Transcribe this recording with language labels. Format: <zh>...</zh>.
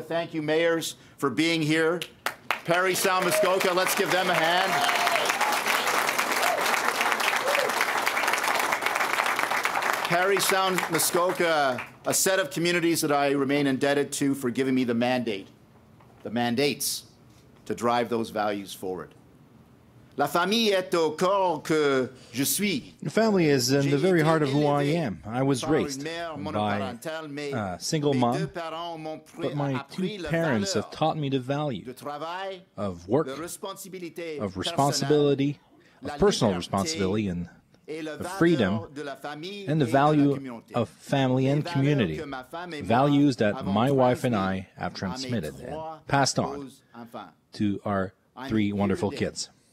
<en>Thank you, mayors, for being here. Parry Sound Muskoka, let's give them a hand. Parry Sound Muskoka, a set of communities that I remain indebted to for giving me the mandate, the mandates, to drive those values forward.</en> <fr>La famille est au cœur que je suis.</fr> <en>The family is in the very heart of who I am. I was raised by a single mom, but my two parents have taught me the value of work, of responsibility, of personal responsibility, and the freedom and the value of family and community, values that my wife and I have transmitted and passed on to our three wonderful kids.</en>